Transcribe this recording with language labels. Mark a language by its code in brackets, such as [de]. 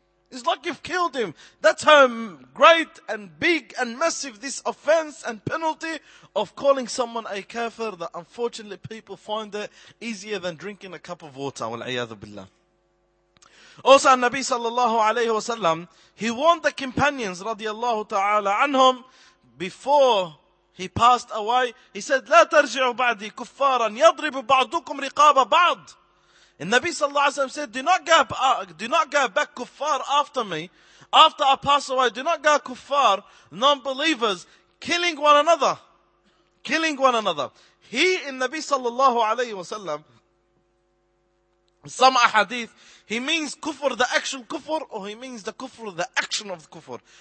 [en] It's like you've killed him. That's how great and big and massive this offense and penalty of calling someone a kafir, that unfortunately people find it easier than drinking a cup of water. Wal-ayyadu billah. Also, Nabi sallallahu alayhi wa sallam, he warned the companions radiallahu ta'ala anhum before he passed away. He said, [ar] لا ترجعوا بعدي كفارا يضرب بعضكم رقاب بعض. [en] And Nabi sallallahu alayhi wa sallam said, do not go back kuffar after me. After I pass away, do not go kuffar, non-believers, killing one another. Killing one another. He in Nabi sallallahu alayhi wa sallam, some ahadith, he means kufr, the actual kufr, or he means the kufr, the action of the kufr.